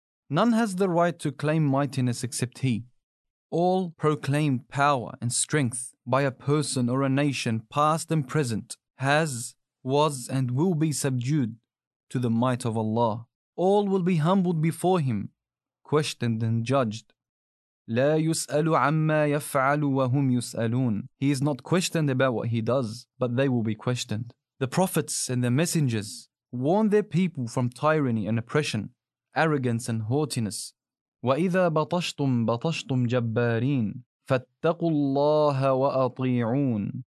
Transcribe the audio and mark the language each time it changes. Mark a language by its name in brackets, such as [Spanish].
[English] None has the right to claim mightiness except He. All proclaim power and strength by a person or a nation, past and present, has, was, and will be subdued to the might of Allah. All will be humbled before Him, questioned and judged. [Arabic] لا يسأل عما يفعل وهم يسألون. [English] He is not questioned about what he does, but they will be questioned. The prophets and the messengers warn their people from tyranny and oppression, arrogance and haughtiness. [Arabic] وَإِذَا بَطَشْتُمْ بَطَشْتُمْ جَبَّارِينَ فَاتَّقُوا اللَّهَ وَأَطِيعُونَ.